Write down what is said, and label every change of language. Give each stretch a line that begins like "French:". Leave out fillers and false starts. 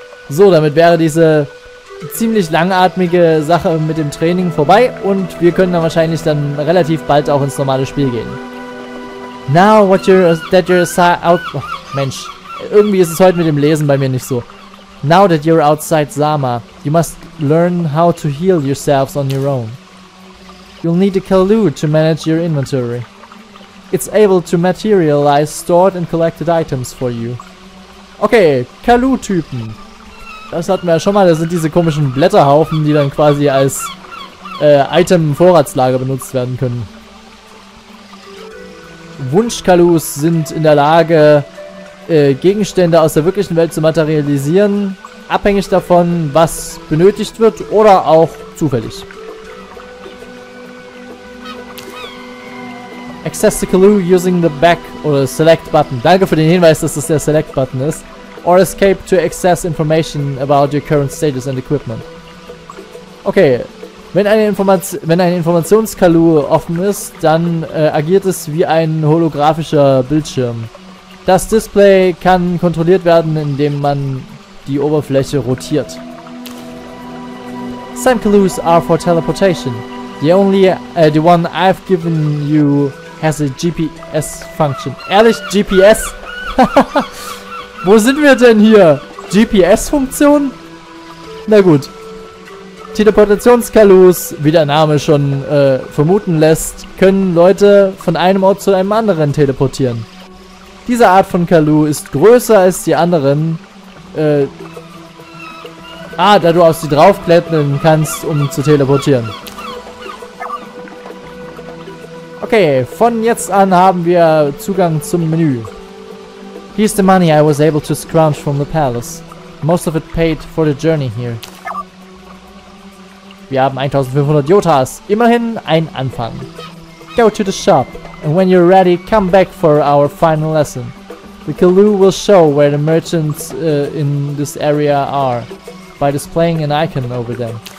German: So, damit wäre diese ziemlich langatmige Sache mit dem Training vorbei. Und wir können dann wahrscheinlich dann relativ bald auch ins normale Spiel gehen.
English: Now, what you're... That you're...
German: Oh, Mensch. Irgendwie ist es heute mit dem Lesen bei mir nicht so.
English: Now that you're outside Zama, you must learn how to heal yourselves on your own. You'll need a Kalu to manage your inventory. It's able to materialize stored and collected items for you.
German: Okay, Kalu-Typen. Das hatten wir ja schon mal. Das sind diese komischen Blätterhaufen, die dann quasi als Item-Vorratslager benutzt werden können. Wunsch-Kalus sind in der Lage... Gegenstände aus der wirklichen Welt zu materialisieren, abhängig davon, was benötigt wird oder auch zufällig.
English: Access the Kalu using the back
German: oder select button. Danke für den Hinweis, dass das der select button ist.
English: Or escape to access information about your current status and equipment.
German: Okay, wenn eine Informationskalu offen ist, dann agiert es wie ein holographischer Bildschirm. Das Display kann kontrolliert werden, indem man die Oberfläche rotiert.
English: Some clues are for teleportation. The one I've given you has a GPS function.
German: Ehrlich, GPS? Wo sind wir denn hier? GPS-Funktion? Na gut. Teleportations-Kalus, wie der Name schon vermuten lässt, können Leute von einem Ort zu einem anderen teleportieren. Diese Art von Kalu ist größer als die anderen. Da du auf sie draufklettern kannst, um zu teleportieren. Okay, von jetzt an haben wir Zugang zum Menü.
English: Here's the money I was able to scrounge from the palace. Most of it paid for the journey here.
German: Wir haben 1500 Jotas. Immerhin ein Anfang.
English: Go to the shop. And when you're ready, come back for our final lesson. The Kalu will show where the merchants in this area are by displaying an icon over them.